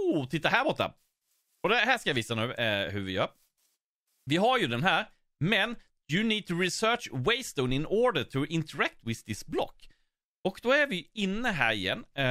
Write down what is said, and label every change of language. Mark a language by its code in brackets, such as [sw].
[sv] titta här borta. Och det här ska jag visa nu hur vi gör. Vi har ju den här. Men [en] you need to research waystone in order to interact with this block. [sv] Och då är vi inne här igen.